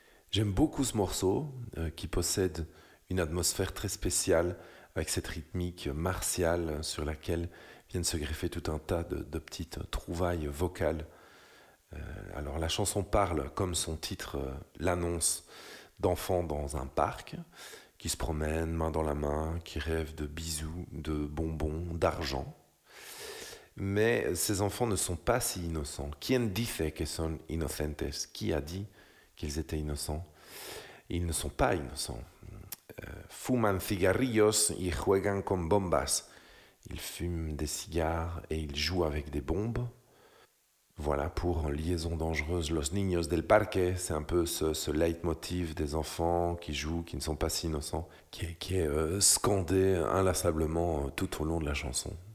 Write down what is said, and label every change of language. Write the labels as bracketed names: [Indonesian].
[French] J'aime beaucoup ce morceau qui possède une atmosphère très spéciale avec cette rythmique martiale sur laquelle viennent se greffer tout un tas de petites trouvailles vocales. Alors la chanson parle, comme son titre l'annonce, d'enfants dans un parc qui se promènent main dans la main, qui rêvent de bisous, de bonbons, d'argent. Mais ces enfants ne sont pas si innocents. [Spanish] ¿Quién dice que son inocentes? [French] Qui a dit qu'ils étaient innocents? Ils ne sont pas innocents. [Spanish] Fuman cigarrillos y juegan con bombas. [French] Ils fument des cigares et ils jouent avec des bombes. Voilà pour Liaison Dangereuse, Los Niños del Parque. C'est un peu ce leitmotiv des enfants qui jouent, qui ne sont pas si innocents, qui est scandé inlassablement tout au long de la chanson.